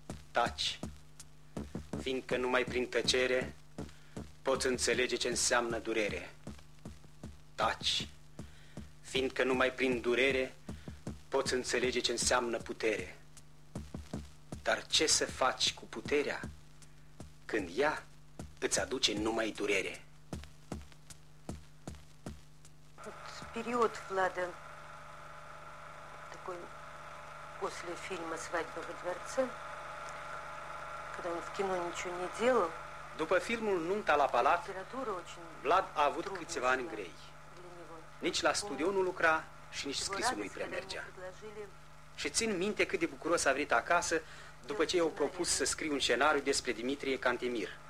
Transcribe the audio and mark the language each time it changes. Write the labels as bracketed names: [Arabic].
[Romanian] Taci, fiindcă numai prin tăcere poți înțelege ce înseamnă durere. Taci, fiindcă numai prin durere poți înțelege ce înseamnă putere. Dar ce să faci cu puterea când ea îți aduce numai durere? [Russian] Вот период Влада такой после фильма «Свадьба во дворце», когда он в кино ничего не делал. [Romanian] După filmul Nunta la palat, Vlad a avut câțiva ani grei. Nici la studio nu lucra și nici scrisul nu-i prea mergea. Și țin minte cât de bucuros a venit acasă după ce i-au propus să scrie un scenariu despre Dimitrie Cantemir.